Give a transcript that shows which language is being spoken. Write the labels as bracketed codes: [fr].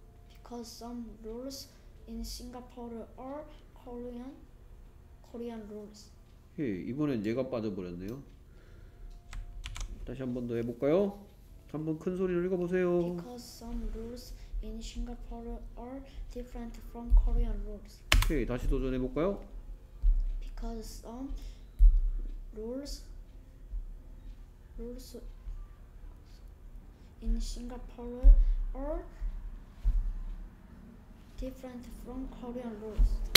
[en] Because some rules in Singapore are Korean rules. [ko] 예, 이번엔 얘가 빠져버렸네요. 다시 한번 더 해볼까요? 한번 큰 소리로 읽어보세요. [en] Because some rules in Singapore are different from Korean rules. [ko] 예, 다시 도전해볼까요? [en] Because some rules in Singapore are different from Korean rules.